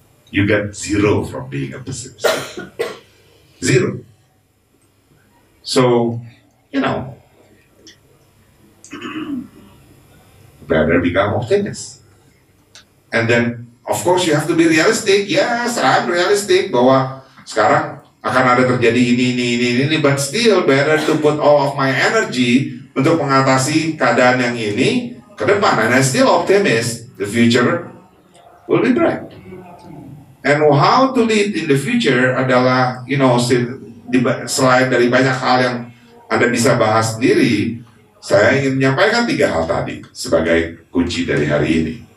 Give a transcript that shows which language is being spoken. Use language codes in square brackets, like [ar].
[en] You get zero from being a pessimist. Zero. So, you know, better become optimist. And then, of course, you have to be realistic. Yes, I'm realistic [id] bahwa sekarang akan ada terjadi ini, [en] but still better to put all of my energy [id] untuk mengatasi keadaan yang ini ke depan. [en] And I still optimist, the future will be bright. And how to lead in the future [id] adalah, [en] you know, [id] selain dari banyak hal yang Anda bisa bahas sendiri, saya ingin menyampaikan tiga hal tadi sebagai kunci dari hari ini.